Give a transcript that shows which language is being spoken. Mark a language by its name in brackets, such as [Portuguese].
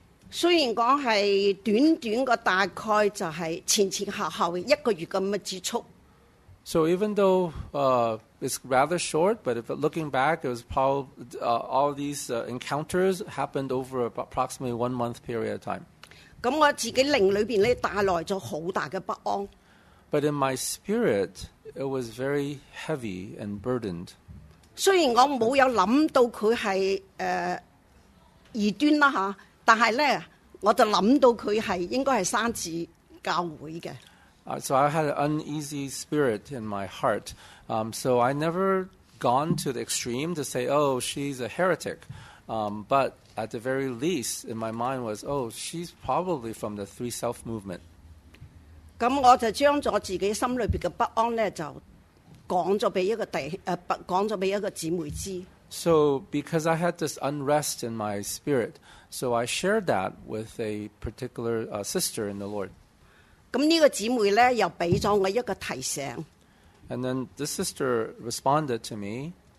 [Cantonese] 虽然讲系短短个大概就系前前后后一个月咁嘅接触。 [English] So even though it's rather short, but if looking back, it was probably all these encounters happened over approximately 1 month period of time. [Cantonese] 咁我自己灵里边咧带来咗好大嘅不安。 [English] But in my spirit, it was very heavy and burdened. [Cantonese] 虽然我冇有谂到佢系异端啦吓。但系咧，我就谂到佢系应该系生子教会嘅。 [English] So I had an uneasy spirit in my heart. So I never gone to the extreme to say, oh, she's a heretic. But at the very least, in my mind was, oh, she's probably from the Three Self movement. [Cantonese] 咁我就将咗自己心里边嘅不安咧，就讲咗俾一个弟讲咗俾一个姊妹知。 [English] So because I had this unrest in my spirit. So I shared that with a particular sister in the Lord. [Cantonese] 咁呢个姊妹咧又俾咗我一个提醒。 [English] And then this sister responded to me.